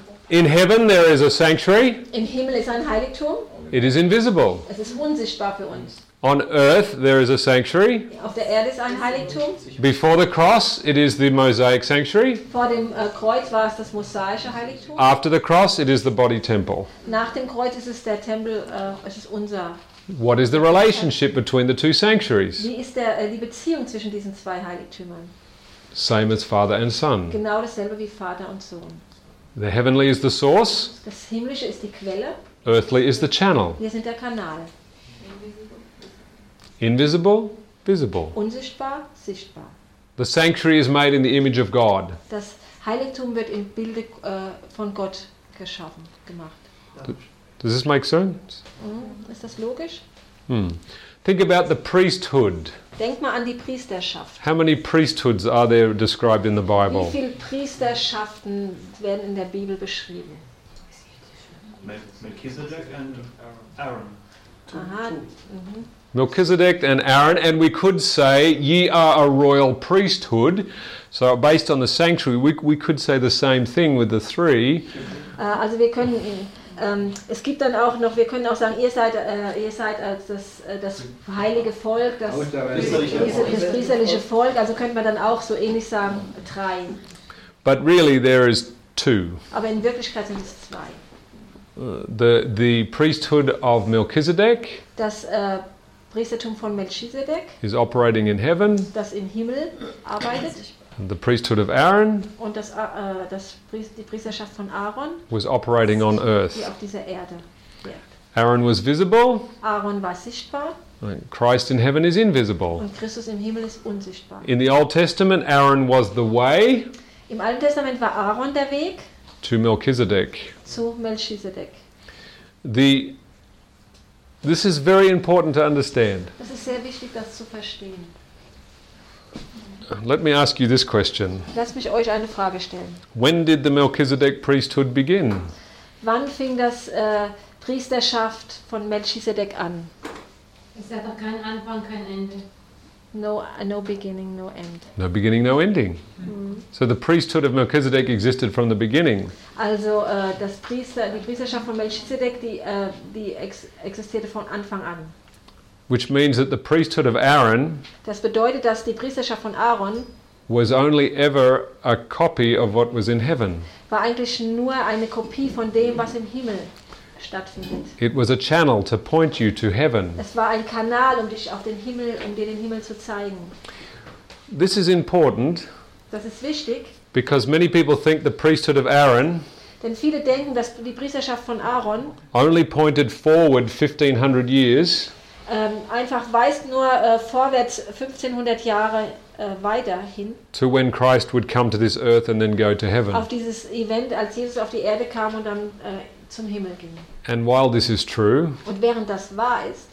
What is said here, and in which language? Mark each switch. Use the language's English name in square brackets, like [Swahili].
[English] In heaven there is a sanctuary. [German] Im Himmel ist ein Heiligtum. [English] It is invisible. [German] Es ist unsichtbar für uns. [English] On earth there is a sanctuary. [German] Auf der Erde ist ein Heiligtum. [English] Before the cross it is the Mosaic sanctuary. [German] Vor dem Kreuz war es das mosaische Heiligtum. [English] After the cross it is the body temple. [German] Nach dem Kreuz ist es der Tempel, es ist unser. [English] What is the relationship between the two sanctuaries? [German] Wie ist die Beziehung zwischen diesen zwei Heiligtümern? [English] Same as Father and Son. [German] Genau dasselbe wie Vater und Sohn. [English] The heavenly is the source. [German] Das Himmlische ist die Quelle. [English] Earthly is the channel. [German] Wir sind der Kanal. [English] Invisible, visible. [German] Unsichtbar, sichtbar. [English] The sanctuary is made in the image of God. [German] Das Heiligtum wird im Bilde von Gott geschaffen, gemacht. [English] Does this make sense? [German] Mm. Ist das logisch? Hmm. [English] Think about the priesthood. [German] Denk mal an die Priesterschaft. [English] How many priesthoods are there described in the Bible? [German] Wie viele Priesterschaften werden in der Bibel beschrieben? [English] Melchizedek and Aaron. Melchizedek and Aaron, and we could say, ye are a royal priesthood. So based on the sanctuary, we could say the same thing with the three. [German] Also wir können, es gibt dann auch noch, wir können auch sagen, ihr seid das heilige Volk, das priesterliche Volk. Also könnte man dann auch so ähnlich sagen, drei. [English] But really there is two. [German] Aber in Wirklichkeit sind es zwei. [English] The priesthood of Melchizedek. [German] Das Priestertum von Melchizedek. [English] Is operating in heaven. [German] Das im Himmel arbeitet. [English] And the priesthood of Aaron. [German] Und das die Priesterschaft von Aaron. [English] Was operating on earth. [German] Die auf dieser Erde. [English] Aaron was visible. [German] Aaron war sichtbar. [English] Christ in heaven is invisible. [German] Und Christus im Himmel ist unsichtbar. [English] In the Old Testament, Aaron was the way. [German] Im Alten Testament war Aaron der Weg. [English] To Melchizedek. [German] Zu Melchizedek. [English] This is very important to understand. [German] Das ist sehr wichtig, das zu verstehen. [English] Let me ask you this question. [German] Lass mich euch eine Frage stellen. [English] When did the Melchizedek priesthood begin? [German] Wann fing das Priesterschaft von Melchizedek an? Es hat doch kein Anfang, kein Ende. [English] No beginning, no end. No beginning, no ending. Mm. So the priesthood of Melchizedek existed from the beginning. [German] Also die Priesterschaft von Melchizedek, existierte von Anfang an. [English] Which means that the priesthood of Aaron. [German] Das bedeutet, dass die Priesterschaft von Aaron. [English] Was only ever a copy of what was in heaven. [German] War eigentlich nur eine Kopie von dem, was im Himmel stattfindet. [English] It was a channel to point you to heaven. [German] Es war ein Kanal, um dich auf den Himmel, um dir den Himmel zu zeigen. [English] This is important. [German] Das ist wichtig. [English] Because many people think the priesthood of Aaron. [German] Denn viele denken, dass die Priesterschaft von Aaron. [English] Only pointed forward 1500 years. [German] Einfach weist nur vorwärts 1500 Jahre weiterhin. [English] To when Christ would come to this earth and then go to heaven. [German] Auf dieses Event, als Jesus auf die Erde kam und dann zum Himmel ging. [English] And while this is true, [German] und während das wahr ist,